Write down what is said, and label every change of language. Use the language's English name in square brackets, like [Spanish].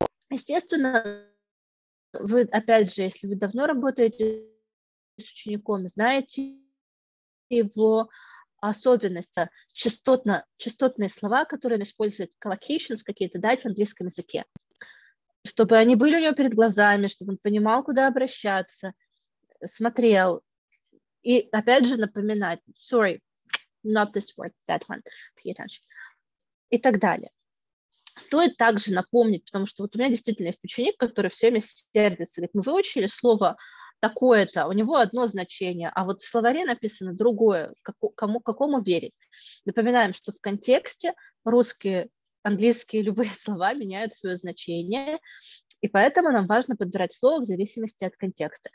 [Russian] Естественно, вы, опять же, если вы давно работаете с учеником, знаете его особенность, частотные слова, которые он использует, collocations какие-то, дать в английском языке, чтобы они были у него перед глазами, чтобы он понимал, куда обращаться, смотрел, И опять же напоминать, [English] sorry, not this word, that one, pay attention, [Russian] и так далее. Стоит также напомнить, потому что вот у меня действительно есть ученик, который все время сердится, говорит, мы выучили слово такое-то, у него одно значение, а вот в словаре написано другое, какому верить. Напоминаем, что в контексте русские, английские любые слова меняют свое значение, и поэтому нам важно подбирать слово в зависимости от контекста.